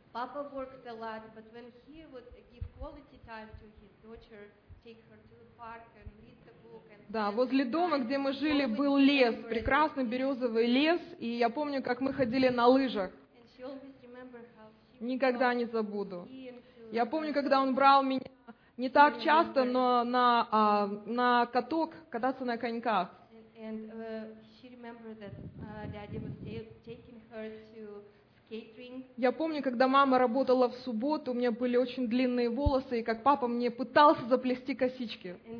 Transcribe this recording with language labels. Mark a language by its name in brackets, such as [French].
[English] Papa worked a lot, but when he would give quality time to his daughter, take her to the park and read the book. [Russian] Да, возле дома, где мы жили, был лес, прекрасный березовый лес, и я помню, как мы ходили на лыжах. [English] And she always remembered how she. [Russian] Никогда не забуду. Я помню, когда он брал меня не так часто, но на каток кататься на коньках. [English] And she remembered that daddy was taking her to. [Russian] Я помню, когда мама работала в субботу, у меня были очень длинные волосы, и как папа мне пытался заплести косички.